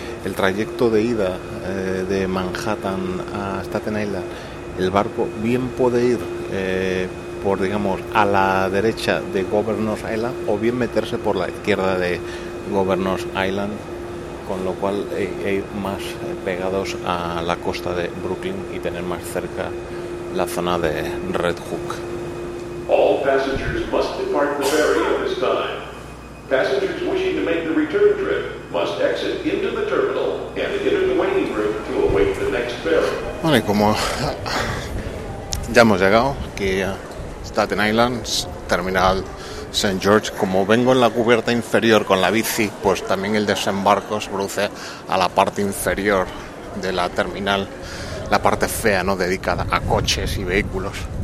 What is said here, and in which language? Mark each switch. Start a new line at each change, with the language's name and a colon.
Spanish: El trayecto de ida de Manhattan a Staten Island, el barco bien puede ir por, digamos, a la derecha de Governors Island, o bien meterse por la izquierda de Governors Island, con lo cual ir más pegados a la costa de Brooklyn y tener más cerca la zona de Red Hook.
English: All passengers must depart the ferry at this time. Passengers wishing to make the return trip must exit into the terminal and enter the waiting room to await the next ferry.
Spanish: Bueno, y como ya hemos llegado aquí a Staten Island, terminal St. George, como vengo en la cubierta inferior con la bici, pues también el desembarco se produce a la parte inferior de la terminal, la parte fea, ¿no?, dedicada a coches y vehículos.